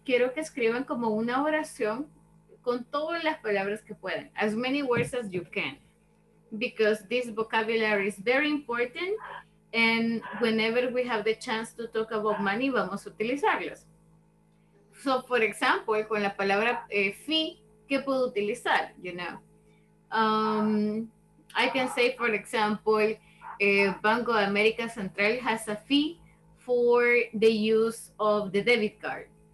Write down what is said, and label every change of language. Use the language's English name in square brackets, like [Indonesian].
[Spanish] Quiero que escriban como una oración con todas las palabras que puedan. [English] As many words as you can. Because this vocabulary is very important, and whenever we have the chance to talk about money, [Spanish] vamos a utilizarlos. [English] So, for example, [Spanish] con la palabra fee, ¿qué puedo utilizar? [English] You know, I can say, for example, Banco de America Central has a fee for the use of the debit card.